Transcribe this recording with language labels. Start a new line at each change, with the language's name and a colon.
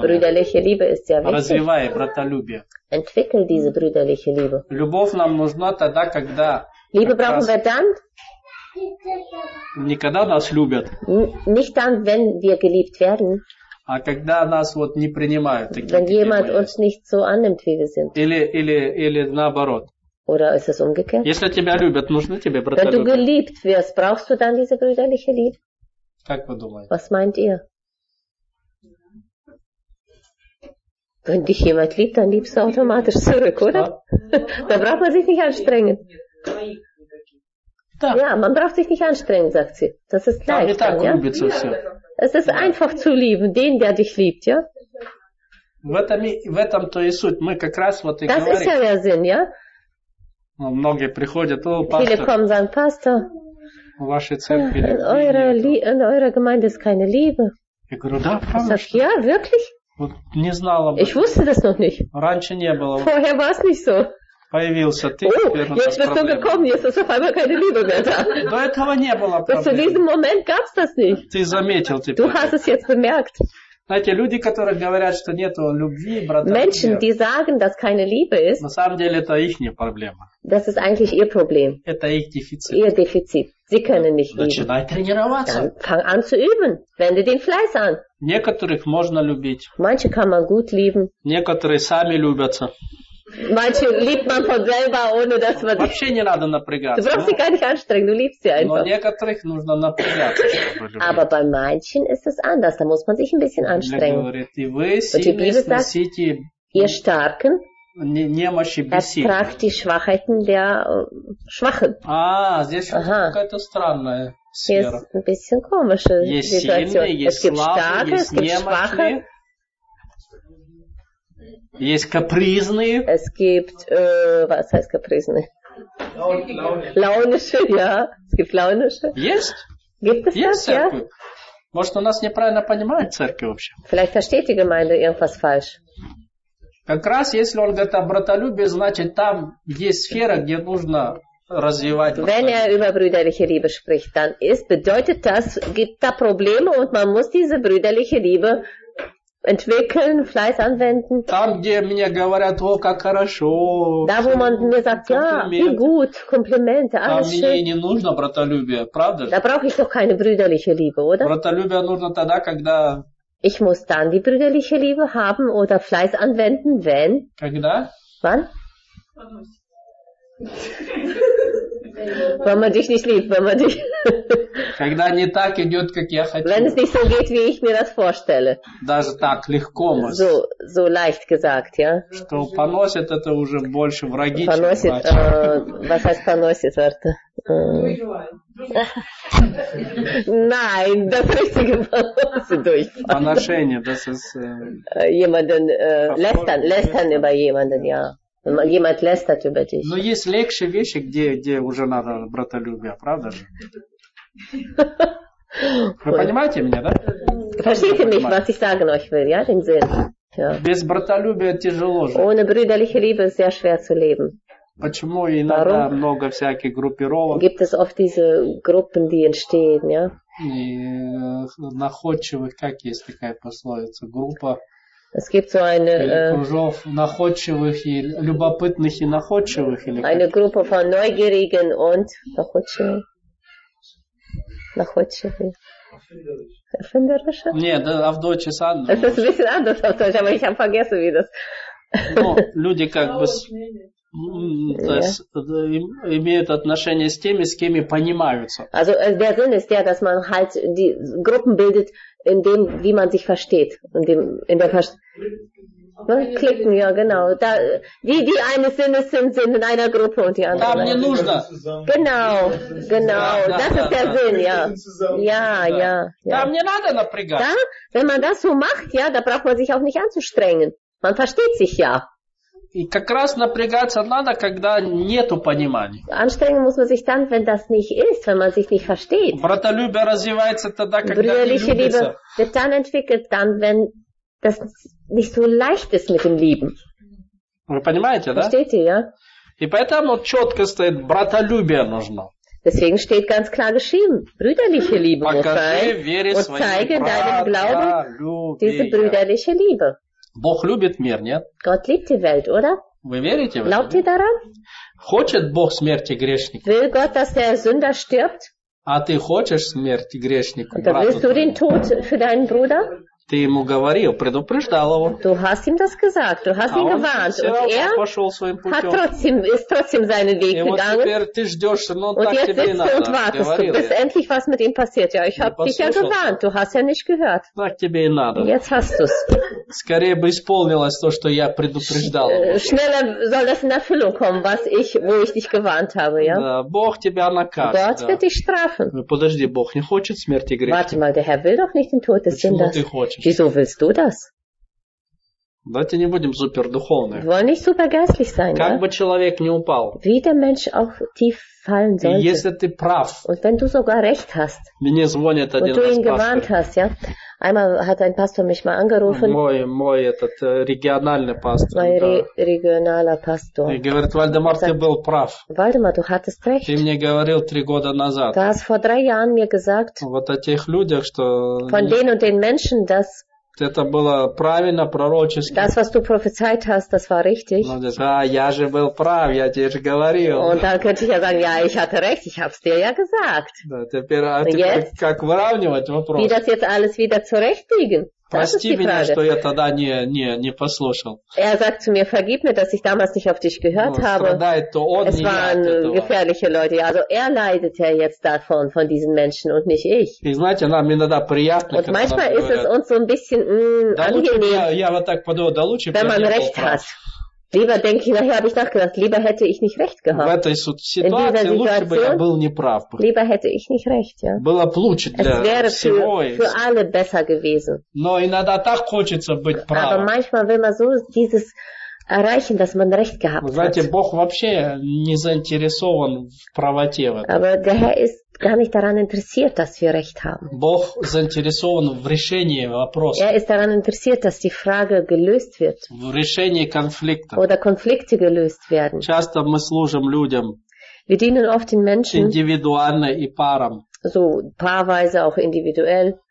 German: Брюдерлихе либе ist sehr wichtig.
Russian: Развивай братолюбие.
German: Entwickel diese brüderliche Liebe.
Russian: Любовь нам нужна тогда, когда.
German: Liebe brauchen wir dann?
Russian: Никогда нас любят.
German: Nicht dann, wenn wir geliebt werden.
Russian: А когда нас вот не принимают такие.
German: Wenn jemand uns nicht so annimmt, wie wir sind.
Russian: Или наоборот.
German: Oder ist es umgekehrt?
Russian: Если тебя любят, нужно тебе братолюбие.
German: Wenn du geliebt wirst, brauchst du dann diese brüderliche Liebe?
Russian: Как вы думаете?
German: Was meint ihr? Wenn dich jemand liebt, dann liebst du automatisch zurück, oder? Da braucht man sich nicht anstrengen. Da. Ja, man braucht sich nicht anstrengen, sagt sie. Das ist leicht. Dann, ja? Es ist einfach zu lieben, den, der dich liebt, ja? Das ist ja der Sinn, ja? Viele kommen und sagen, Pastor,
Russian: в вашей церкви
German: in eurer Liebe, in eurer Gemeinde ist keine Liebe.
Russian: Я говорю, да, правда?
German: Sag, ja, wirklich?
Russian: Вот не знала бы.
German: Ich wusste das noch nicht.
Russian: Раньше не было.
German: Vorher war es nicht so.
Russian: Появился ты,
German: jetzt bist du gekommen, jetzt ist auf einmal keine Liebe mehr da.
Russian: До этого не было проблем.
German: Zu diesem Moment gab's das nicht.
Russian: Ты заметил теперь.
German: Du hast es jetzt bemerkt.
Russian: Знаете, люди, которые говорят, что нету любви, братан,
German: Menschen, die sagen, dass keine Liebe ist,
Russian: на самом деле это их проблема.
German: Das ist eigentlich ihr Problem.
Russian: Это их дефицит.
German: Ihr Defizit. Sie können nicht lieben.
Russian: Начинай тренироваться.
German: Dann fang an zu üben. Wende den Fleiß an.
Russian: Некоторых можно любить.
German: Manche kann man gut lieben.
Russian: Некоторые сами любятся.
German: Manche liebt man von selber, ohne dass man...
Russian: Вообще не надо напрягаться.
German: Du brauchst dich gar nicht anstrengen, du liebst sie einfach.
Russian: Но некоторых нужно напрягаться, чтобы любить.
German: Aber bei manchen ist es anders, da muss man sich ein bisschen anstrengen.
Russian: Говорит, и вы сильны, сносите...
German: Ihr Starken...
Russian: Немощи бессильны.
German: Ertragt die Schwachheiten der Schwachen.
Russian: А, здесь какая-то странная сфера. Есть
German: ein bisschen komische
Russian: Ситуация. Есть сильные, есть слабые, есть немощные. Есть капризные.
German: Es gibt, was heißt
Russian: капризные?
German: Launische, ja. Es gibt launische.
Russian: Есть?
German: Gibt es
Russian: есть церковь?
English: Yeah?
Russian: Может, у нас неправильно понимают церковь вообще?
German: Vielleicht versteht die Gemeinde irgendwas falsch.
Russian: Как раз, если он говорит о братолюбии, значит, там есть сфера, где нужно развивать.
German: Wenn er über brüderliche Liebe spricht, dann ist, bedeutet das, gibt da Probleme und man muss diese brüderliche Liebe entwickeln, Fleiß anwenden.
Russian: Там, где мне говорят, о, как хорошо.
German: Da, wo man mir sagt, ja, wie gut, Komplimente, alles schön.
Russian: Там мне не нужно братолюбие, правда?
German: Da brauche ich doch keine brüderliche Liebe, oder?
Russian: Братолюбие нужно тогда, когда...
German: Ich muss dann die brüderliche Liebe haben oder Fleiß anwenden, wenn...
Russian: Когда?
German: Wann? Wenn man dich nicht liebt, wenn man dich...
Russian: Когда не так идет, как я хочу.
German: Wenn es nicht so geht, wie ich mir das vorstelle.
Russian: Даже так, легко.
German: So, so leicht gesagt, ja.
Russian: Что поносит, это уже больше враги, чем врачи.
German: Was heißt
Russian: поносит,
German: Варта? Nein, das richtige Поносит durchfallen.
Russian: Поношение,
German: das ist... Jemanden lästern, lästern über jemanden, ja. Jemand lästert über dich.
Russian: Но есть легче вещи, где, где уже надо братолюбие, правда же? Вы понимаете меня, да?
German: Verstehte mich, was ich sagen euch will, ja, den Sinn. Ja.
Russian: Без братолюбия тяжело жить.
German: Ohne brüderliche Liebe ist sehr schwer zu leben.
Russian: Почему иногда
German: Warum?
Russian: Много всяких группировок?
German: Gibt es oft diese Gruppen, die entstehen, ja?
Russian: И находчивых, как есть такая пословица, группа.
German: Es gibt so eine
Russian: кружов находчивых и любопытных и находчивых или
German: eine
Russian: как? Группа
German: von Neugierigen und
Russian: Находчивых. Находчивый.
German: Erfinderische?
Russian: Нет, да, а в
German: Deutsch ist anders. Es ist ein bisschen anders auf Deutsch, aber ich habe vergessen, wie das. Ну, люди как бы имеют отношение с теми, с кем и понимаются. Also, der Sinn ist der, dass man halt die Gruppen bildet, in dem, wie man sich versteht. In der Klicken, ja, genau. Da, wie die eine Sinnes sind in einer Gruppe und die andere. Da
Russian: мне нужно.
German: Genau, genau. Ja, das da, ist der da, Sinn, da. Ja. Ja, ja. Da
Russian: мне надо напрягать.
German: Da, wenn man das so macht, ja, da braucht man sich auch nicht anzustrengen. Man versteht sich ja.
Russian: И как раз напрягаться надо, когда нету понимания.
German: Anstrengen muss man sich dann, wenn das nicht ist, wenn man sich nicht versteht.
Russian: Братолюбие развивается тогда, когда не любится.
German: Liebe wird dann entwickelt, dann wenn das nicht so leicht ist mit dem Lieben.
Russian: Вы понимаете, да?
German: Versteht ihr, ja?
Russian: И поэтому четко стоит, братолюбие нужно.
German: Deswegen steht ganz klar geschrieben, brüderliche Liebe
Russian: Покажи,
German: muss sein und zeige deinem Glauben
Russian: любви.
German: Diese брüderliche Liebe.
Russian: Бог любит мир, нет?
German: Gott liebt die Welt, oder?
Russian: Вы верите в это?
German: Glaubt ihr daran?
Russian: Хочет Бог смерти грешника?
German: Will Gott, dass der Sünder stirbt?
Russian: А ты хочешь смерти грешнику?
German: Oder willst du den Tod für deinen Bruder?
Russian: Ты ему говорил, предупреждал его.
German: Du hast ihm das gesagt, du hast ihn gewarnt. Und er
Russian: пошел своим путем.
German: Hat trotzdem, ist trotzdem seinen Weg gegangen.
Russian: И вот теперь ты ждешь, но
German: und
Russian: так тебе и надо.
German: Und wartest du, bis endlich was mit ihm passiert. Ja, ich habe dich ja gewarnt, du hast ja nicht gehört.
Russian: Так тебе и надо.
German: Jetzt hast du's.
Russian: Скорее бы исполнилось то, что я предупреждал.
German: Schneller soll das in Erfüllung kommen, was ich, wo ich dich gewarnt habe, ja?
Russian: Да, Бог тебя накажет.
German: Gott wird dich strafen.
Russian: Подожди, Бог не хочет смерти грешника.
German: Warte mal, der Herr will doch nicht den Tod des Sünders. Wieso willst du das?
Russian: Давайте не будем супердуховны.
German: Wollen nicht super geistlich sein,
Russian: как бы человек не упал.
German: Wie der Mensch auch tief fallen sollte.
Russian: И если ты прав.
German: Und wenn du sogar recht hast.
Russian: Мне звонит один
German: пастор. Und du ihn gewarnt hast, ja. Einmal hat ein Pastor mich mal angerufen.
Russian: Мой этот региональный пастор.
German: Mein regionaler Pastor.
Russian: И говорит, Вальдемар, ты был прав.
German: Вальдемар, du hattest recht.
Russian: Ты мне говорил 3 года назад.
German: Du hast vor 3 Jahren mir gesagt.
Russian: Вот о тех людях, что...
German: Von denen und den Menschen, dass...
Russian: Это было правильно, пророчески.
German: Das, was du prophezeit hast, das war richtig.
Russian: Он говорит, а, я же был прав, я тебе же говорил.
German: Und dann könnte ich ja sagen, ja, ich hatte recht, ich hab's dir ja gesagt.
Russian: Да, теперь, а ты
German: jetzt,
Russian: как выравнивать вопрос?
German: Wie das jetzt alles wieder zurechtlegen?
Russian: Прости меня, что я тогда не послушал.
German: Er sagt zu mir, vergib mir, dass ich damals nicht auf dich gehört habe.
Russian: Страдает, то он,
German: es waren gefährliche Leute. Also er leidet ja jetzt davon, von diesen Menschen und nicht ich.
Russian: И знаете, нам иногда приятно,
German: und manchmal ist es uns so ein bisschen angenehm,
Russian: я вот так подумал, да лучше,
German: wenn man recht hat. Lieber denke ich, nachher habe ich nachgedacht, lieber hätte ich nicht recht gehabt.
Russian: В этой ситуации лучше бы я был неправ.
German: Lieber hätte ich nicht recht, ja.
Russian: Было бы лучше для всего.
German: Es wäre für alle besser gewesen.
Russian: Но иногда так хочется быть прав.
German: Aber manchmal will man so dieses erreichen, dass man recht gehabt hat.
Russian: Знаете, Бог вообще не заинтересован в правоте.
German: Aber der Herr ist gar nicht daran interessiert, dass wir recht haben.
Russian: Бог заинтересован в решении вопроса.
German: Er ist daran interessiert, dass die Frage gelöst wird.
Russian: В решении конфликта.
German: Oder Konflikte gelöst werden.
Russian: Часто мы служим людям.
German: Wir dienen oft den Menschen.
Russian: Индивидуально и парам.
German: So paarweise auch individuell.